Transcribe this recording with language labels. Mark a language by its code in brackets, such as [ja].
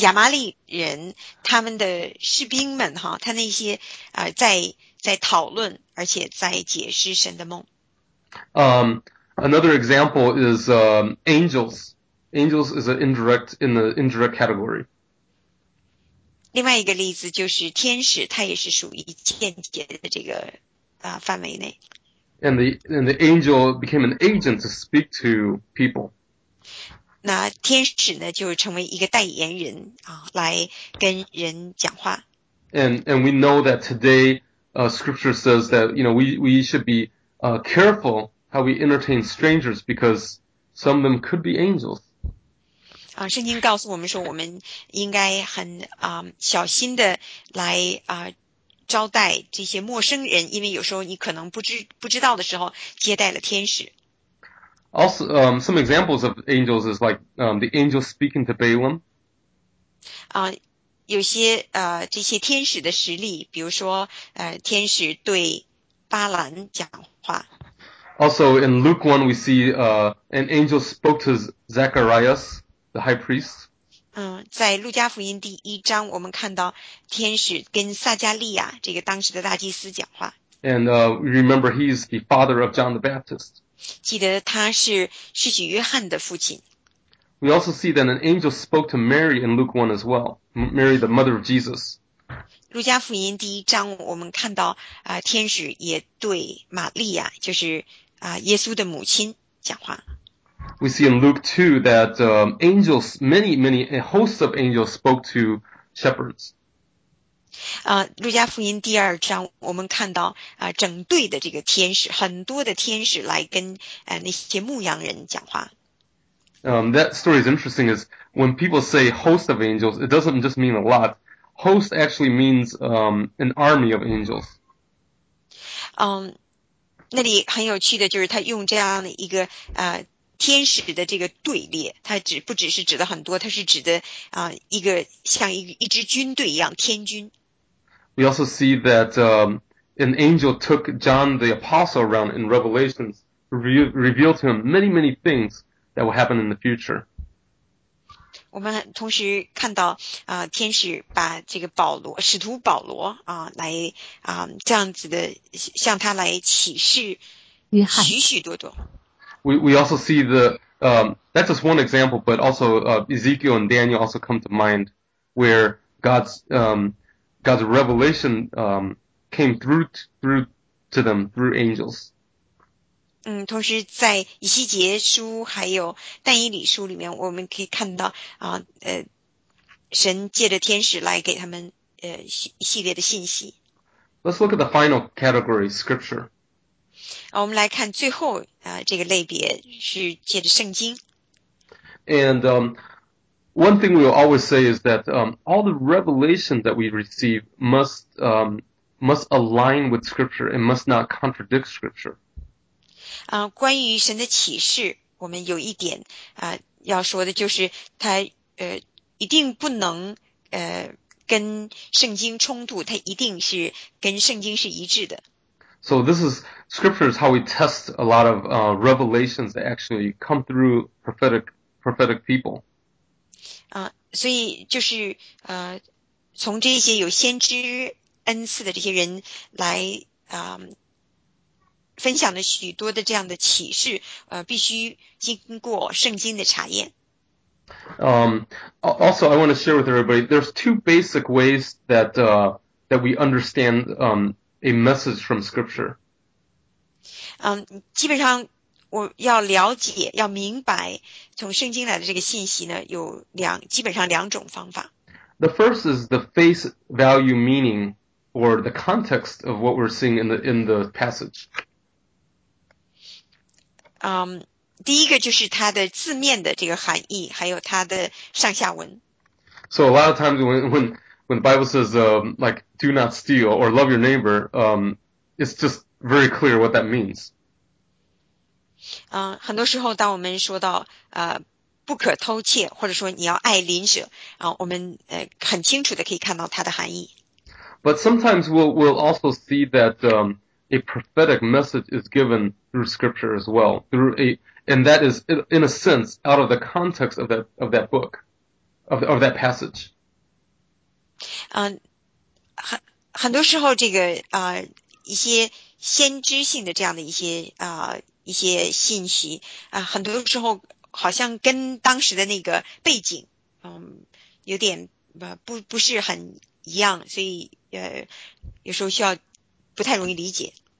[zh] 亚麻利人他们的士兵们哈，他那些在讨论，而且在解释神的梦。 [en] Another example is angels. Angels is an indirect category. [zh] 另外一个例子就是天使，它也是属于间接的这个范围内。 [en] And the angel became an agent to speak to people. [zh] 那天使呢，就是成为一个代言人来跟人讲话。 [en] And we know that today, scripture says that, we should be careful how we entertain strangers because some of them could be angels. [zh] 圣经告诉我们说，我们应该很小心的来招待这些陌生人，因为有时候你可能不知道的时候接待了天使。 [en] Also, some examples of angels is like the angel speaking to Balaam. [zh] 有些这些天使的实力，比如说天使对巴兰讲话。 [en] Also, in Luke 1, we see an angel spoke to Zacharias, the high priest. [zh] 在路加福音第一章，我们看到天使跟撒加利亚这个当时的大祭司讲话， [en] And remember, he's the father of John the Baptist. [zh] 记得他是施洗约翰的父亲。 [en] We also see that an angel spoke to Mary in Luke 1 as well, Mary, the mother of Jesus. [zh] 路加福音第一章，我们看到天使也对玛利亚，就是耶稣的母亲讲话。 [en] We see in Luke 2 that angels, many, a host of angels spoke to shepherds. [zh] 路加福音第二章，我们看到整队的这个天使，很多的天使来跟那些牧羊人讲话。 [en] That story is interesting is when people say host of angels, it doesn't just mean a lot. Host actually means an army of angels. [zh] 那里很有趣的就是他用这样的一个天使的这个队列，它不只是指的很多，它是指的一个像一支军队一样，天军。 [en] We also see that an angel took John the Apostle around in Revelations, revealed to him many things. That will happen in the future. [zh] 我们同时看到，天使把这个保罗，使徒保罗来这样子的向他来启示约翰。许许多多。 [en] We also see that's just one example, but also Ezekiel and Daniel also come to mind, where God's revelation came through to them through angels. [zh] 同时在以西结书还有但以理书里面，我们可以看到神借着天使来给他们一系列的信息。 [en] Let's look at the final category, scripture. [zh] 我们来看最后这个类别是借着圣经。 [en] And one thing we'll always say is that all the revelation that we receive must align with scripture and must not contradict scripture. [zh] 关于神的启示，我们有一点要说的就是，它一定不能跟圣经冲突，它一定是跟圣经是一致的。 [en] So this is scripture is how we test a lot of revelations that actually come through prophetic people. [zh] 所以就是从这些有先知恩赐的这些人来分享的许多的这样的启示，必须经过圣经的查验。 [en] Also, I want to share with everybody. There's two basic ways that that we understand a message from Scripture. [zh] 基本上我要了解、要明白从圣经来的这个信息呢，有两基本上两种方法。 [en] The first is the face value meaning or the context of what we're seeing in the passage. [zh] 第一个就是它的字面的这个含义，还有它的上下文。 [en] So a lot of times when the Bible says like do not steal or love your neighbor, it's just very clear what that means. [zh] 很多时候当我们说到不可偷窃，或者说你要爱邻舍，我们很清楚的可以看到它的含义。 [en] But sometimes we'll also see that a prophetic message is given through scripture as well, and that is in a sense out of the context of that book, of that passage. [zh] 很多时候这个一些先知性的这样的一些信息很多时候好像跟当时的那个背景有点不是很一样，所以有时候需要不太容易理解。